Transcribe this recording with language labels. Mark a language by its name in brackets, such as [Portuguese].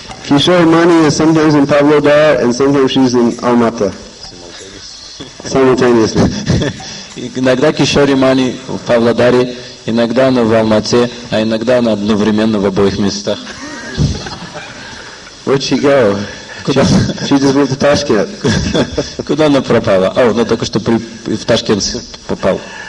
[English] Kishore Mani is sometimes in Pavlodar and sometimes she's in Almaty. Simultaneously. [Russian] Иногда Kishore Mani в Павлодаре, иногда она в Алмате, а иногда она одновременно в обоих местах. [English] Where'd she go? She just went to Tashkent. [Russian] Куда она пропала? А, она только что в Ташкент попал.